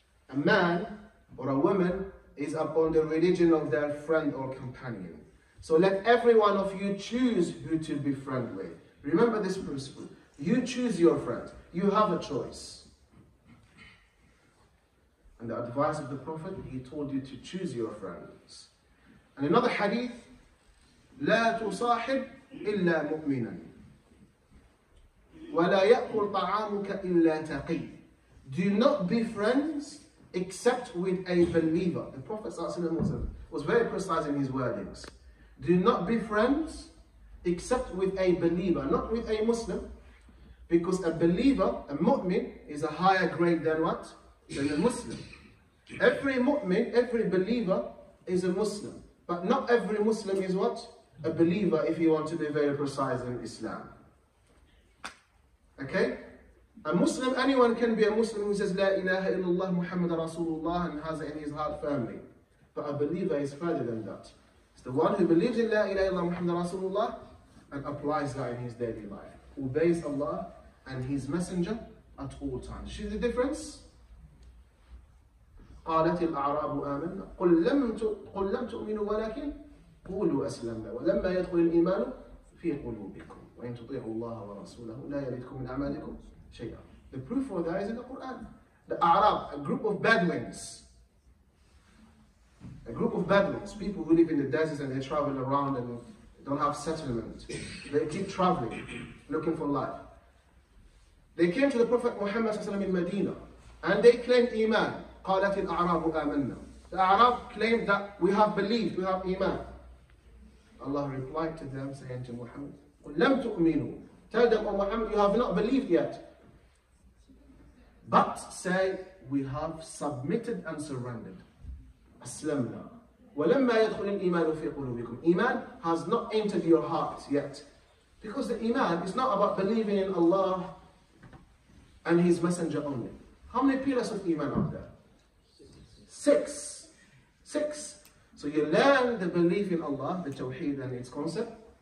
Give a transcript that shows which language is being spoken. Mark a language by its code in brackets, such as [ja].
[en] A man or a woman is upon the religion of their friend or companion. So let every one of you choose who to befriend with. Remember this principle. You choose your friend. You have a choice. And the advice of the Prophet, he told you to choose your friends. And another hadith, [ar] لا تصاحب إلا مؤمنا. وَلَا يَأْكُلْ طَعَامُكَ إِلَّا تَقِي. [en] Do not be friends except with a believer. The Prophet was very precise in his wordings. Do not be friends except with a believer, not with a Muslim. Because a believer, a mu'min, is a higher grade than what? Than a Muslim. Every mu'min, every believer is a Muslim. But not every Muslim is what? A believer, if you want to be very precise in Islam. Okay? A Muslim, anyone can be a Muslim who says, La ilaha illallah Muhammad Rasulullah, and has it in his heart firmly. But a believer is further than that. It's the one who believes in La ilaha illallah Muhammad Rasulullah and applies that in his daily life. Obeys Allah and His Messenger at all times. See the difference? [ar] قالت الأعراب آمنا قل لم تؤمنوا ولكن قولوا أسلمنا ولما يدخل الإيمان في قلوبكم وإن تطيعوا الله ورسوله لا يلدكم من أعمالكم شيئا. [en] The proof for that is in the Quran. The Arab, a group of Bedouins. A group of Bedouins, people who live in the deserts and they travel around and don't have settlement. They keep traveling, looking for life. They came to the Prophet Muhammad in Medina and they claimed Iman. [ar] قالت الأعراب آمنا. [en] The Arab claimed that we have believed, we have Iman. Allah replied to them, saying to Muhammad, [ar] قل لم تؤمنوا. [en] Tell them, O Muhammad, you have not believed yet. But say, we have submitted and surrendered. [ar] أسلمنا. ولما يدخل الإيمان في قلوبكم. [en] Iman has not entered your hearts yet. Because the Iman is not about believing in Allah and His Messenger only. How many pillars of Iman are there? Six. So you learn the belief in Allah, the Tawheed and its concept.